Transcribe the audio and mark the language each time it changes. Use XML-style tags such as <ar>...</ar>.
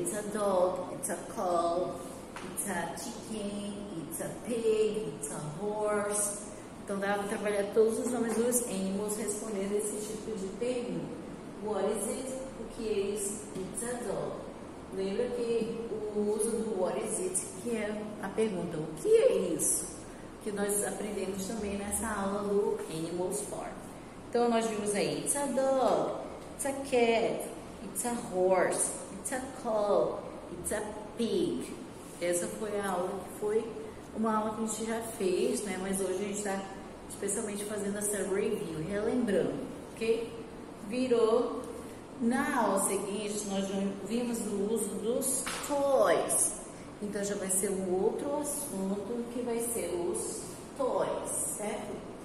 <en>It's a dog, it's a cow, it's a chicken, it's a pig, it's a horse.</en> <pt>Então, dá para trabalhar todos os nomes dos animals respondendo esse tipo de pergunta.</pt> <en>What is it?</en> <pt>O que é isso?</pt> <en>It's a dog.</en> <pt>Lembra que o uso do</pt> <en>what is it,</en> <pt>que é a pergunta, o que é isso? Que nós aprendemos também nessa aula do Animals Farm. Então, nós vimos aí,</pt> <en>it's a dog, it's a cat, it's a horse, it's a cow, it's a pig.</en> <pt>Essa foi a aula que foi uma aula que a gente já fez, né? Mas hoje a gente está especialmente fazendo essa review, relembrando, ok? Virou. Na aula seguinte, nós já vimos o uso dos toys. Então, já vai ser um outro assunto que vai ser os toys, certo?</pt>